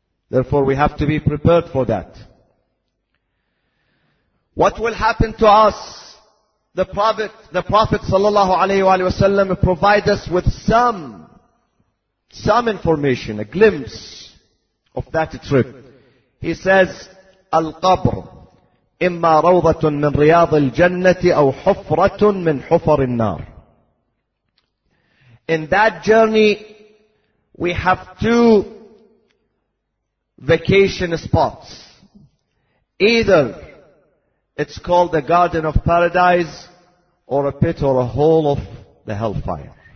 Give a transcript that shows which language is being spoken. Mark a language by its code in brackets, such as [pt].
[en] Therefore, we have to be prepared for that. What will happen to us? The Prophet sallallahu alaihi wa sallam provide us with some information, a glimpse of that trip. He says, Al-Qabr. [ar] إما روضة من رياض الجنة أو حفرة من حفر النار. [en] In that journey, we have two vacation spots. Either it's called the Garden of Paradise, or a pit or a hole of the hellfire.